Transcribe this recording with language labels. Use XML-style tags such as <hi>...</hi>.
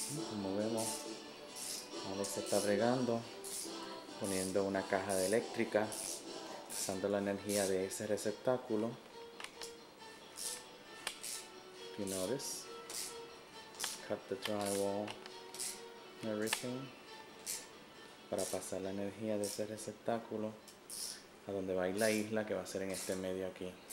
<es>Como vemos, Alex se está bregando, poniendo una caja de eléctrica, usando la energía de ese receptáculo.</es> <en>You notice? Cut the drywall, everything.</en> <es>Para pasar la energía de ese receptáculo a donde va a ir la isla, que va a ser en este medio aquí.</es>